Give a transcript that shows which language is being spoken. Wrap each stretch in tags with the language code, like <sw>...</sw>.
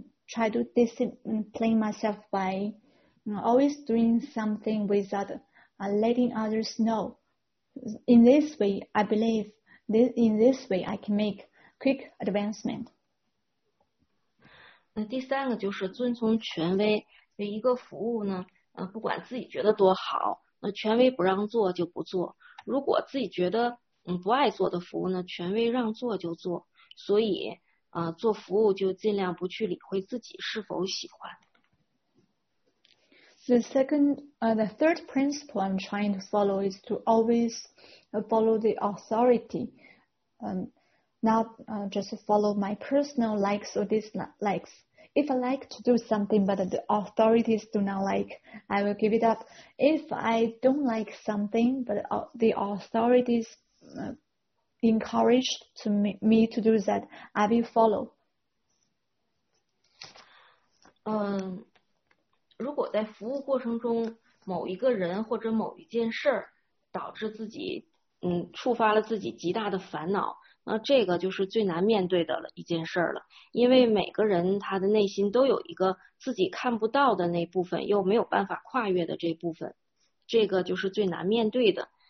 <en>Try to discipline myself by always doing something without letting others know. In this way, I believe in this way, I can make quick advancement.</en> <zh>那第三个就是遵从权威，一个服务呢，不管自己觉得多好，那权威不让做就不做；如果自己觉得不爱做的服务呢，权威让做就做。所以，做服务就尽量不去理会自己是否喜欢。</zh> <en>The third principle I'm trying to follow is to always follow the authority, not just follow my personal likes or dislikes. If I like to do something but the authorities do not like, I will give it up. If I don't like something but the authorities encourage me to do that, I will follow.</en> <zh>如果在服务过程中某一个人或者某一件事儿导致自己触发了自己极大的烦恼，那这个就是最难面对的一件事儿了。因为每个人他的内心都有一个自己看不到的那部分又没有办法跨越的这部分，这个就是最难面对的。</zh>